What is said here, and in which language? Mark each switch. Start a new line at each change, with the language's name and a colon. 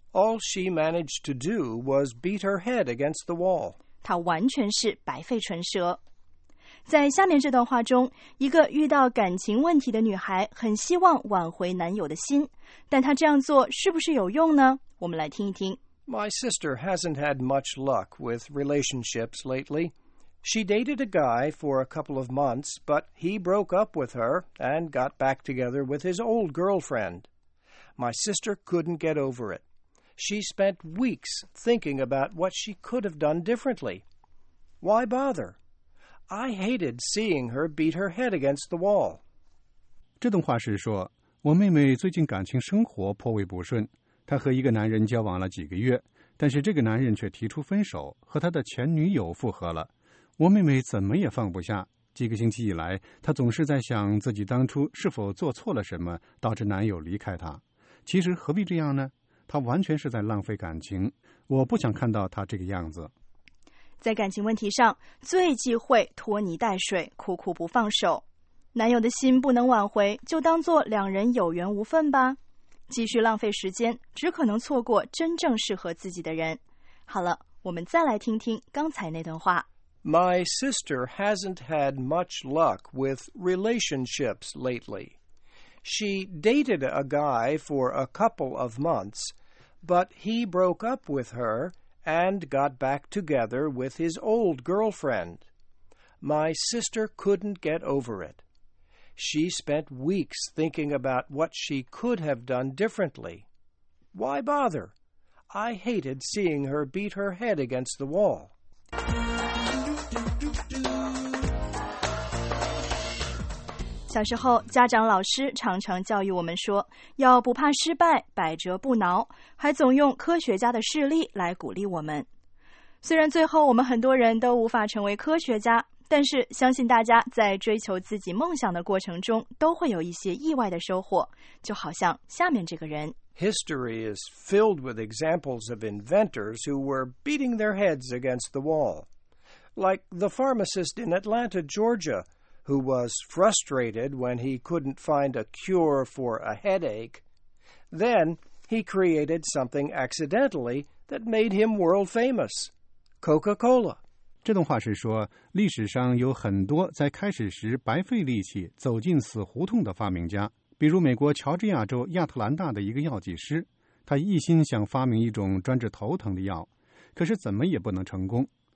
English: All she managed to do was beat her head against the wall.
Chinese: 她完全是白费唇舌。在下面这段话中，一个遇到感情问题的女孩很希望挽回男友的心，但她这样做是不是有用呢？我们来听一听。
English: My sister hasn't had much luck with relationships lately. She dated a guy for a couple of months, but he broke up with her and got back together with his old girlfriend. My sister couldn't get over it. She spent weeks thinking about what she could have done differently. Why bother? I hated seeing her beat her head against the wall.
Chinese: 这段话是说，我妹妹最近感情生活颇为不顺，她和一个男人交往了几个月，但是这个男人却提出分手，和她的前女友复合了。我妹妹怎么也放不下，几个星期以来，她总是在想自己当初是否做错了什么，导致男友离开她。其实何必这样呢？她完全是在浪费感情，我不想看到她这个样子。在感情问题上，最忌讳拖泥带水，苦苦不放手。男友的心不能挽回，就当做两人有缘无分吧。继续浪费时间，只可能错过真正适合自己的人。好了，我们再来听听刚才那段话。
English: My sister hasn't had much luck with relationships lately. She dated a guy for a couple of months, but he broke up with her and got back together with his old girlfriend. My sister couldn't get over it. She spent weeks thinking about what she could have done differently. Why bother? I hated seeing her beat her head against the wall.
Chinese: 小时候，家长老师常常教育我们说，要不怕失败，百折不挠，还总用科学家的事例来鼓励我们。虽然最后我们很多人都无法成为科学家，但是相信大家在追求自己梦想的过程中都会有一些意外的收获，就好像下面这个人。
English: History is filled with examples of inventors who were beating their heads against the wall. Like the pharmacist in Atlanta, Georgia, who was frustrated when he couldn't find a cure for a headache. Then he created something accidentally that made him world famous. Coca-Cola.
Chinese: 这段话是说，历史上有很多在开始时白费力气走进死胡同的发明家，比如美国乔治亚州亚特兰大的一个药剂师，他一心想发明一种专治头疼的药，可是怎么也不能成功。